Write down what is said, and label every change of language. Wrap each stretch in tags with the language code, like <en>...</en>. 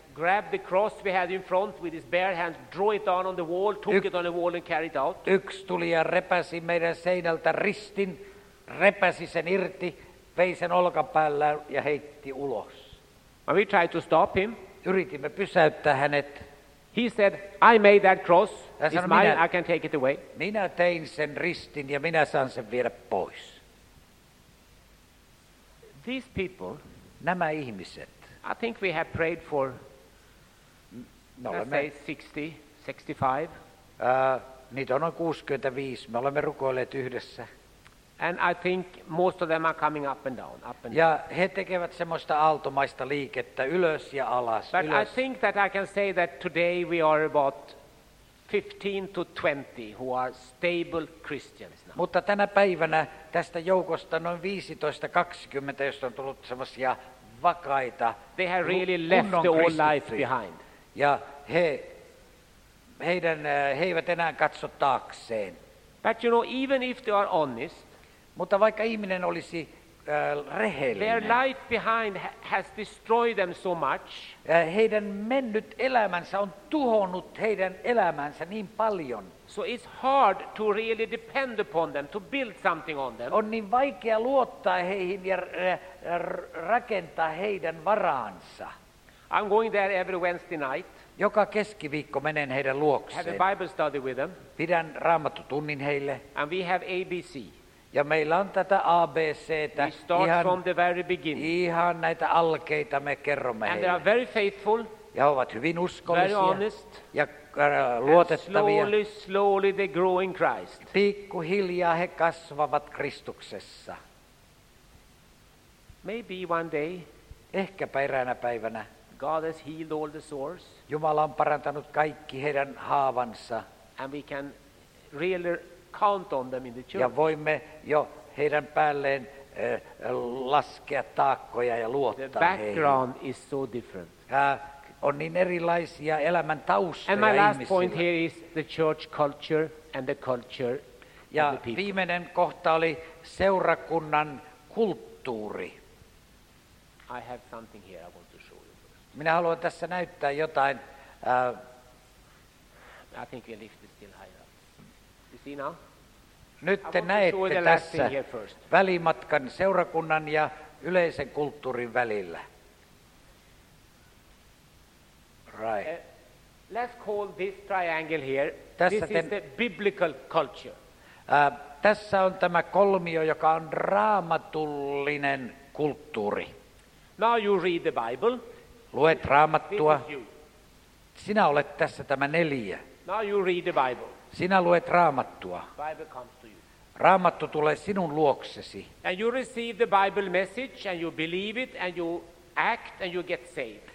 <en>Grabbed the cross we had in front with his bare hands, drew it down on the wall, took it on the wall and carried it out.</en> <fi>Yksi tuli ja repäsi meidän seinältä ristin, repäsi sen irti, vei sen olkapäällä ja heitti ulos.</fi> <en>And we tried to stop him.</en> <fi>Yritimme pysäyttää hänet.</fi> <en>He said, I made that cross, it's mine, I can take it away.</en> <fi>Minä tein sen ristin ja minä saan sen viedä pois.</fi> <en>These people,</en> <fi>nämä ihmiset,</fi> <en>I think we have prayed for, no, let's</en> <fi>me</fi> <en>say 60, 65.</en> <fi>Niitä on noin 65, me olemme rukoilleet yhdessä.</fi> <en>And I think most of them are coming up and down, up and down.</en> <fi>Ja he tekevät semmoista aaltomaista liikettä ylös ja alas.</fi> <en>But</en> <fi>ylös.</fi> <en>I think that I can say that today we are about 15 to 20 who are stable Christians now.</en> <fi>Mutta tänä päivänä tästä joukosta noin 15-20, josta on tullut semmoisia vakaita.</fi> <en>They have really left the old life behind.</en> <fi>Ja he eivät enää katso taakseen.</fi> <en>But you know, even if they are honest,</en> <fi>mutta vaikka ihminen olisi rehellinen,</fi> <en>their life behind has destroyed them so much.</en> <fi>Heidän mennyt elämänsä on tuhonnut heidän elämänsä niin paljon.</fi> <en>So it's hard to really depend upon them, to build something on them.</en> <fi>On niin vaikea luottaa heihin ja rakentaa heidän varaansa.</fi> <en>I'm going there every Wednesday night.</en> <fi>Joka keskiviikko menen heidän luokseen.</fi> <en>Have a Bible study with them.</en> <fi>Pidän raamattutunnin heille.</fi> <en>And we have ABC.</en> <fi>Ja meillä on tätä ABC:tä ihan näitä alkeita me kerromme</fi> <en>and</en> <fi>heille.</fi> <en>They are very faithful,</en> <fi>ja ovat hyvin uskollisia,</fi> <en>very honest,</en> <fi>ja luotettavia.</fi> <en>And slowly they grow in Christ.</en> <fi>Pikkuhiljaa he kasvavat Kristuksessa.</fi> <en>Maybe one day,</en> <fi>ehkäpä eräänä päivänä</fi> <en>God has healed all the sores,</en> <fi>Jumala on parantanut kaikki heidän haavansa.</fi> <en>And we can really count on them in the church.</en> <fi>Ja voimme jo heidän päälleen laskea taakkoja ja luottaa heihin.</fi> <en>The background is so different.</en> <fi>On niin erilaisia elämän taustoja ihmisillä.</fi> <en>And my last</en> <fi>ihmisillä.</fi> <en>Point here is the church culture and the culture</en> <fi>ja</fi> <en>of the people.</en> <fi>Viimeinen kohta oli seurakunnan kulttuuri.</fi> <en>I have something here I want to show you.</en> <fi>Minä haluan tässä näyttää jotain.</fi> <en>I think we lift it still higher. See now?</en> <fi>Nyt te näette tässä välimatkan seurakunnan ja yleisen kulttuurin välillä.</fi> <en>Right. Let's call this triangle here.</en> <fi>Tässä</fi> <en>this is the biblical culture.</en> <fi>Tässä on tämä kolmio, joka on raamatullinen kulttuuri.</fi> <en>Now you read the Bible.</en> <fi>Luet raamattua. Sinä olet tässä tämä neljä.</fi> <en>Now you read the Bible.</en> <fi>Sinä luet raamattua.</fi> <en>Bible comes to you.</en> <fi>Raamattu tulee sinun luoksesi.</fi> <en>And you receive the Bible message and you believe it and you act and you get saved.</en>